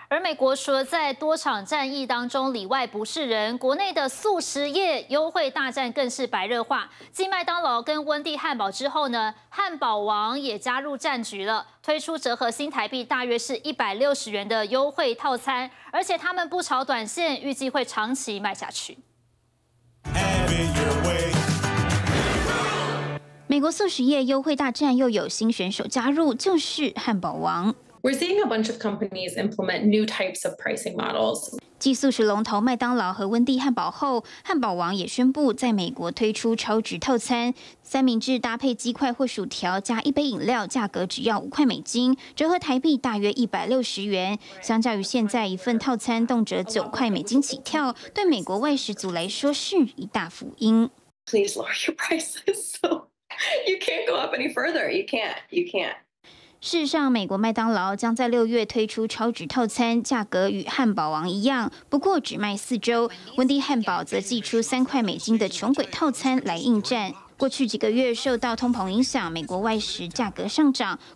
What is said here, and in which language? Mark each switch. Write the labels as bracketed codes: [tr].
[zh] 而美国说在多场战役当中里外不是人，国内的速食业优惠大战更是白热化，继麦当劳跟温蒂汉堡之后呢，汉堡王也加入战局了，推出折合新台币大约是160元的优惠套餐，而且他们不炒短线，预计会长期卖下去。美国速食业优惠大战又有新选手加入，就是汉堡王。 [en] We're seeing a bunch of companies implement new types of pricing models. [zh] 继速食龙头麦当劳和温蒂汉堡后，汉堡王也宣布在美国推出超值套餐，三明治搭配鸡块或薯条加一杯饮料，价格只要$5，折合台币大约160元。相较于现在一份套餐动辄$9起跳，对美国外食族来说是一大福音。 [en] Please lower your prices. You can't go up any further. You can't. [zh] 事实上，美国麦当劳将在6月推出超值套餐，价格与汉堡王一样，不过只卖4周。温蒂汉堡则寄出$3的穷鬼套餐来应战。过去几个月受到通膨影响，美国外食价格上涨。